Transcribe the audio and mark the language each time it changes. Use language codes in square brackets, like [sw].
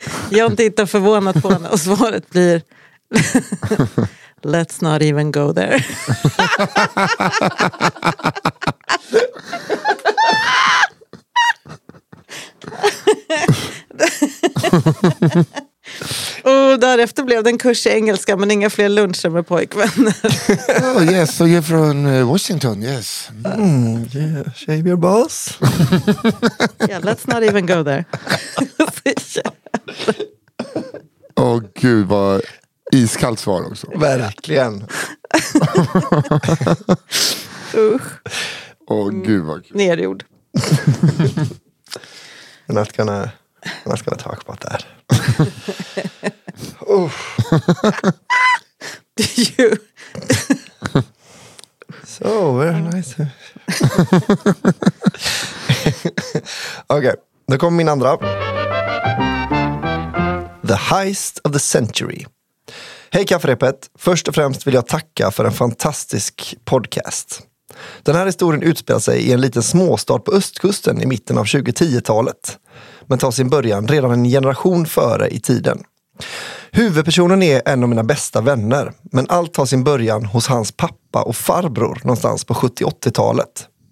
[sv] John tittar förvånat på henne och svaret blir: [en] let's not even go there. [sv] Och därefter blev det en kurs i engelska, men inga fler luncher med pojkvänner. [en] Oh yes, so you're from Washington, yes. Mm, yeah. Shave your balls. Yeah, let's not even go there. [sv] Åh gud, vad iskallt svar också. Verkligen. Usch. Åh gud vad kul. Nedgjord. [en] Not gonna talk about that. Did you? So very nice. [sv] Okay, då kommer min andra. [en] The heist of the century. [sv] Hej kafferepet, först och främst vill jag tacka för en fantastisk podcast. Den här historien utspelar sig i en liten småstad på östkusten i mitten av 2010-talet, men tar sin början redan en generation före i tiden. Huvudpersonen är en av mina bästa vänner, men allt tar sin början hos hans pappa och farbror någonstans på 70-80-talet.